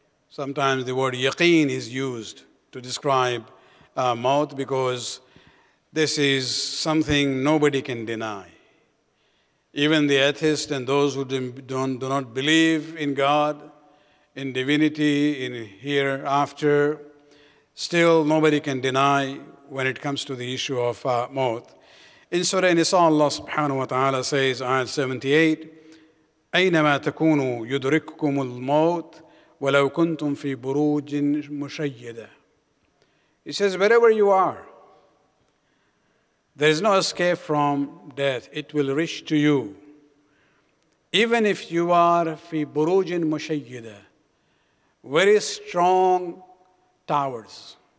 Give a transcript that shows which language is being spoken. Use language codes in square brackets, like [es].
[en] Sometimes the word yaqeen is used to describe maut because this is something nobody can deny. Even the atheist and those who do not believe in God, in divinity, in hereafter, still nobody can deny when it comes to the issue of maut. In Surah Nisa, Allah subhanahu wa ta'ala says, ayat 78, [ar] أينما تكونوا يدرككم الموت ولو كنتم في بروج مشيدة. [en] He says, wherever you are, there is no escape from death. It will reach to you. Even if you are [ar] في بروج مشيدة, [en] very strong towers.